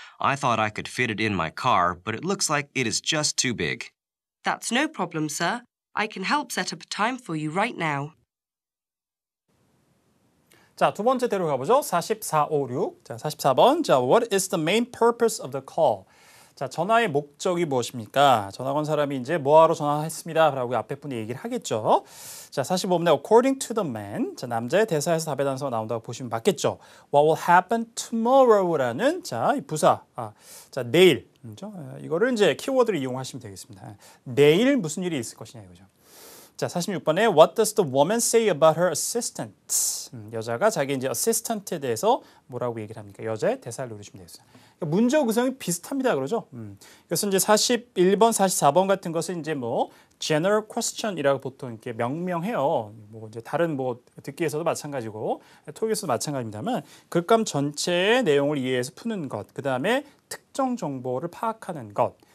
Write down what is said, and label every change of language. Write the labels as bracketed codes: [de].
[en] I thought I could fit it in my car, but it looks like it is just too big. That's no problem, sir. I can help set up a time for you right now. [ko] 자, 두 번째 대로 가보죠. 4456. 자, 44번. [en] 자, what is the main purpose of the call? [ko] 자, 전화의 목적이 무엇입니까? 전화 건 사람이 이제 뭐하러 전화했습니다. 라고 앞에 분이 얘기를 하겠죠. 자, 45번에 [en] according to the man. [ko] 자, 남자의 대사에서 답의 단서가 나온다고 보시면 맞겠죠. [en] What will happen tomorrow [ko] 라는 자, 이 부사. 아, 자, 내일. 그죠? 이거를 이제 키워드를 이용하시면 되겠습니다. 내일 무슨 일이 있을 것이냐 이거죠. 자, 46번에 [en] What does the woman say about her assistant? [ko] 여자가 자기 이제 assistant에 대해서 뭐라고 얘기를 합니까? 여자의 대사를 누르시면 되겠습니다. 문제 구성이 비슷합니다. 그러죠? 그래서 이제 41번, 44번 같은 것은 이제 뭐 general question이라고 보통 이렇게 명명해요. 뭐 이제 다른 뭐 듣기에서도 마찬가지고 토익에서도 마찬가지입니다만 글감 전체의 내용을 이해해서 푸는 것, 그다음에 특정 정보를 파악하는 것.